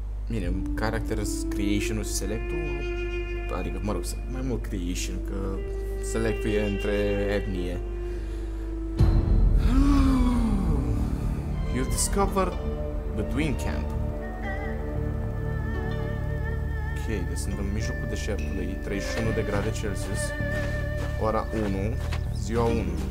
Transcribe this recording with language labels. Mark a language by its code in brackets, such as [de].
[ro] Bine, character creation-ul și select-ul, adică, mă rog, mai mult creation, că select e între etnie. [en] You've discovered Bedouin Camp. [ro] Ok, deci sunt în mijlocul deșertului, 31 de grade Celsius, ora 1, ziua 1.